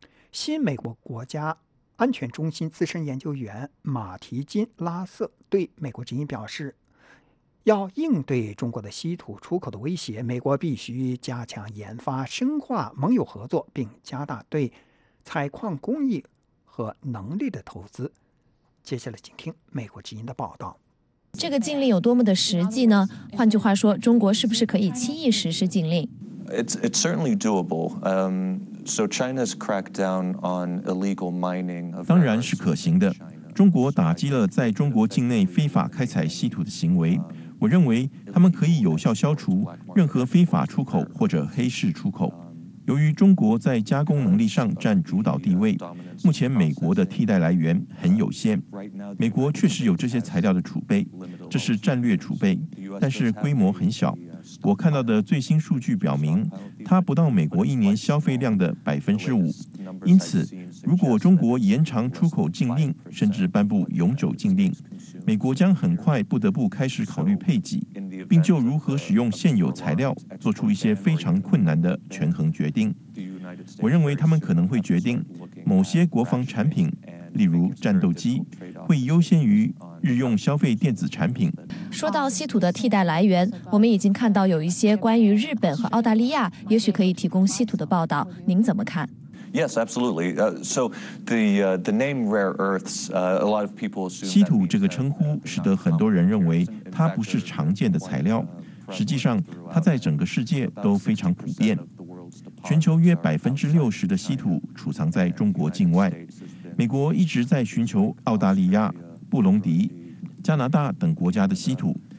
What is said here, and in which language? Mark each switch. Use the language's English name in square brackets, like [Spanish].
[Chinese] 新美国国家安全中心资深研究员马提金·拉瑟对美国之音表示，要应对中国的稀土出口的威胁，美国必须加强研发，深化盟友合作，并加大对采矿工艺和能力的投资。接下来请听美国之音的报道。这个禁令有多么的实际呢？换句话说，中国是不是可以轻易实施禁令？ [English] It's certainly doable. So China's crackdown on illegal mining. [Chinese] 当然是可行的。中国打击了在中国境内非法开采稀土的行为。我认为他们可以有效消除任何非法出口或者黑市出口。由于中国在加工能力上占主导地位，目前美国的替代来源很有限。美国确实有这些材料的储备，这是战略储备，但是规模很小。我看到的最新数据表明，它不到美国一年消费量的5%。因此，如果中国延长出口禁令，甚至颁布永久禁令，美国将很快不得不开始考虑配给，并就如何使用现有材料做出一些非常困难的权衡决定。我认为他们可能会决定某些国防产品，例如战斗机，会优先于日用消费电子产品。说到稀土的替代来源，我们已经看到有一些关于日本和澳大利亚也许可以提供稀土的报道，您怎么看？ [English] Yes, absolutely. So the name rare earths, a lot of people assume. [Chinese] 稀土这个称呼使得很多人认为它不是常见的材料。实际上，它在整个世界都非常普遍。全球约60%的稀土储藏在中国境外。美国一直在寻求澳大利亚、布隆迪、加拿大等国家的稀土。